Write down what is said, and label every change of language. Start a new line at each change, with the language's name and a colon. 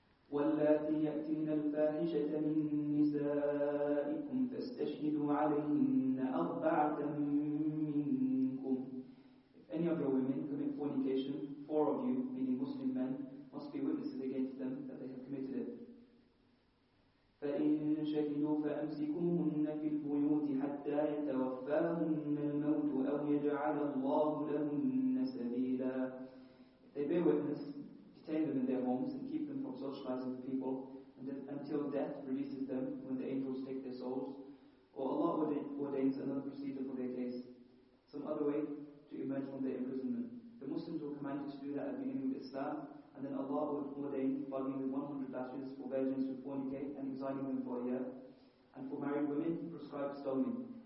Arabic: واللاتي يأتين الفاحشة من نسائكم فاستشهدوا عليهن أربعة منكم.
English: If any of your women commit fornication, four of you, meaning Muslim men, must be witnesses against them that they have committed it.
Arabic: فإن شهدوا فأمسكوهن في البيوت حتى يتوفاهن الموت أو يجعل الله لهن سبيلا.
English: If they bear witness, detain them in their homes and keep them from socializing with people until death releases them when the angels take their souls, or Allah ordains another procedure for their case, some other way to emerge from their imprisonment. The Muslims were commanded to do that at the beginning of Islam, and then Allah would ordain following the 100 batches for virgins who fornicate and exiling them for a year, and for married women prescribed stoning.